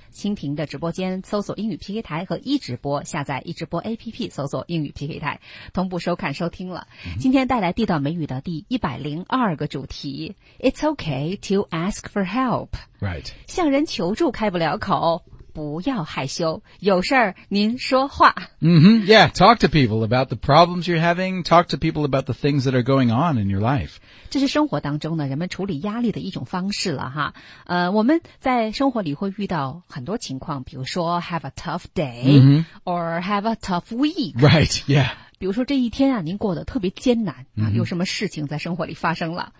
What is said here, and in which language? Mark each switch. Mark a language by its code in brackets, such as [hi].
[zh] 蜻蜓的直播间搜索英语 PK 台和一直播，下载一直播 APP 搜索英语 PK 台，同步收看收听了。今天带来地道美语的第102个主题 ， [en] It's okay to ask for help. Right. [zh] 向人求助开不了口，不要害羞，有事儿您说话。 [en] Yeah, talk to people about the problems you're having. Talk to people about the things that are going on in your life. [zh] 这是生活当中呢，人们处理压力的一种方式了哈。我们在生活里会遇到很多情况，比如说 [en] have a tough day, or have a tough week. Right, yeah. [zh] 比如说这一天啊您过得特别艰难、啊、有什么事情在生活里发生了、